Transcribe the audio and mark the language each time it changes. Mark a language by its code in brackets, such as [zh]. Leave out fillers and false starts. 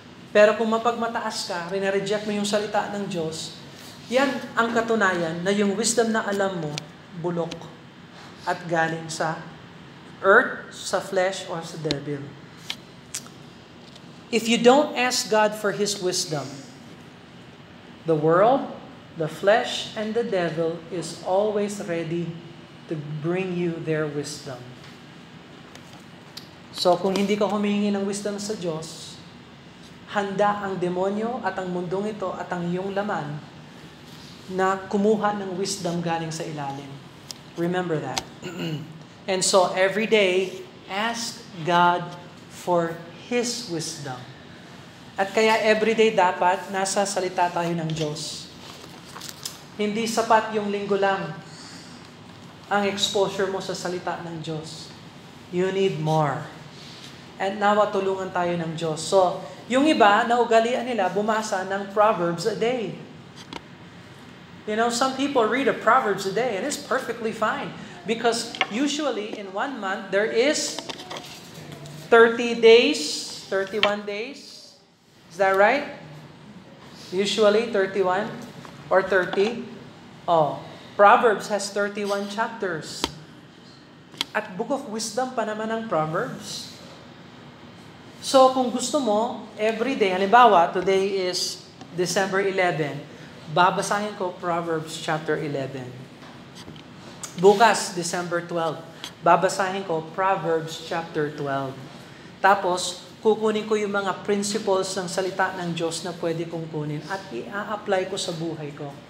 [tl] Pero kung mapagmataas ka, rinareject mo yung salita ng Diyos, yan ang katunayan na yung wisdom na alam mo, bulok at galing sa earth, sa flesh, or sa devil. [en] If you don't ask God for His wisdom, the world, the flesh, and the devil is always ready to bring you their wisdom. [tl] So kung hindi ka humihingi ng wisdom sa Diyos, handa ang demonyo at ang mundong ito at ang iyong laman na kumuha ng wisdom galing sa ilalim. [en] Remember that. And so every day, ask God for His wisdom. [tl] At kaya every day dapat nasa salita tayo ng Diyos. Hindi sapat yung linggo lang ang exposure mo sa salita ng Diyos. [en] You need more. [tl] At nawa tulungan tayo ng Diyos. So, yung iba, naugalian nila, bumasa ng Proverbs a day. [en] You know, some people read a Proverbs a day and it's perfectly fine. Because usually in one month, there is 30 days, 31 days. Is that right? Usually 31 or 30. Oh, Proverbs has 31 chapters. [tl] At Book of Wisdom pa naman ang Proverbs. So kung gusto mo, every day, halimbawa, [en] today is December 11, [tl] babasahin ko Proverbs chapter 11. Bukas, December 12, babasahin ko Proverbs chapter 12. Tapos, kukunin ko yung mga principles ng salita ng Diyos na pwede kong kunin at i-apply ko sa buhay ko.